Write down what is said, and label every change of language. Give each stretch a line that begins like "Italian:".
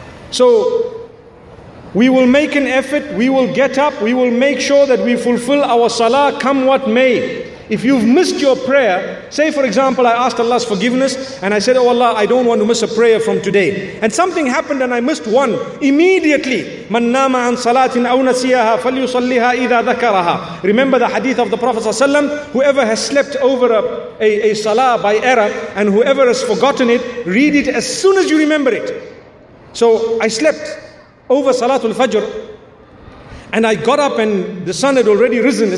English: So, we will make an effort, we will get up, we will make sure that we fulfill our salah come what may. If you've missed your prayer, say for example, I asked Allah's forgiveness and I said, oh Allah, I don't want to miss a prayer from today. And something happened and I missed one.
Arabic: Immediately, مَنْ نَامَ عَنْ صَلَاةٍ أَوْ نَسِيَهَا فَلْيُصَلِّهَا إِذَا ذَكَرَهَا.
English: Remember the hadith of the Prophet ﷺ, whoever has slept over a salah by error and whoever has forgotten it, read it as soon as you remember it. So I slept over Salatul Fajr and I got up and the sun had already risen.